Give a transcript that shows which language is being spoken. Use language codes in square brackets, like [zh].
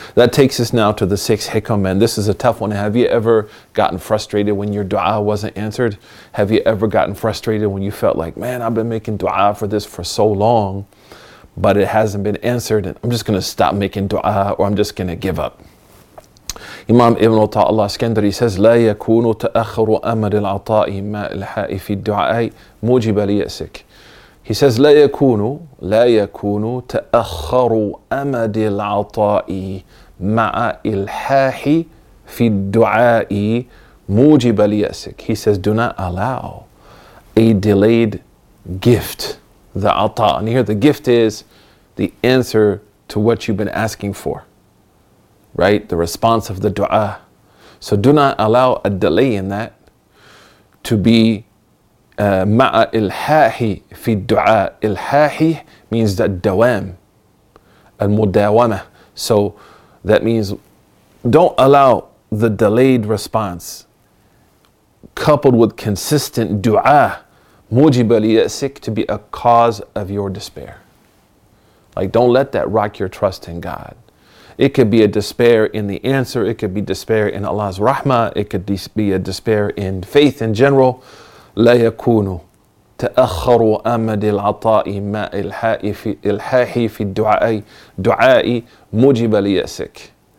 [en] That takes us now to the sixth hikam, and this is a tough one. Have you ever gotten frustrated when your dua wasn't answered? Have you ever gotten frustrated when you felt like, man, I've been making dua for this for so long, but it hasn't been answered, and I'm just going to stop making dua, or I'm just going to give up? [ar] Imam Ibn Ata'Allah Iskandari says, لا يكون تأخر أمر العطاء ما إلحاء في الدعاء موجب ليأسك. He says, لا يكون تأخر أمد العطاء مع إلحاح في الدعاء موجب ليأسك. [en] He says, do not allow a delayed gift, the عطاء. And here the gift is the answer to what you've been asking for, right? The response of the dua. So do not allow a delay in that to be [ar] مَعَ إِلْحَاحِ فِي الدُّعَاءِ. [en] إِلْحَاحِ means that dawam, المُدَاوَمَة. So that means don't allow the delayed response coupled with consistent dua, [ar] مُجِبَ لِيَأْسِكْ, [en] to be a cause of your despair. Like, don't let that rock your trust in God. It could be a despair in the answer, it could be despair in Allah's rahmah, it could be a despair in faith in general. [ar] لا يكون تأخر أمد العطاء مع إلحاح في الدعاء دعائي موجب ليأسك.